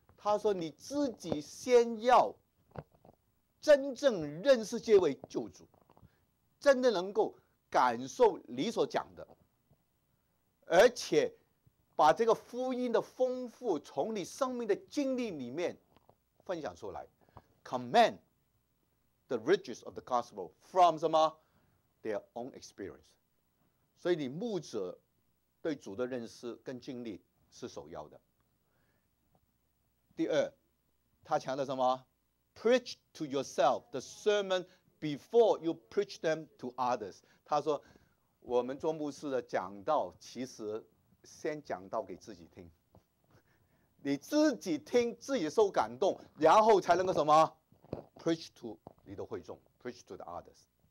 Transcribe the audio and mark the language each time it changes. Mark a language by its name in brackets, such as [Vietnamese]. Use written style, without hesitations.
[Chinese] 他说：“你自己先要真正认识这位救主，真的能够感受你所讲的，而且把这个福音的丰富从你生命的经历里面分享出来。 [English] Command the riches of the gospel from [Chinese] 什么 [English] their own experience。 [Chinese] 所以你牧者对主的认识跟经历是首要的。” 第二，他强调什么 [English] ？Preach to yourself the sermon before you preach them to others。 [Chinese] 他说，我们做牧师的讲道，其实先讲道给自己听，你自己听，自己受感动，然后才能够什么 ？ [English] Preach to [Chinese] 你的会众 ， [English] preach to the others。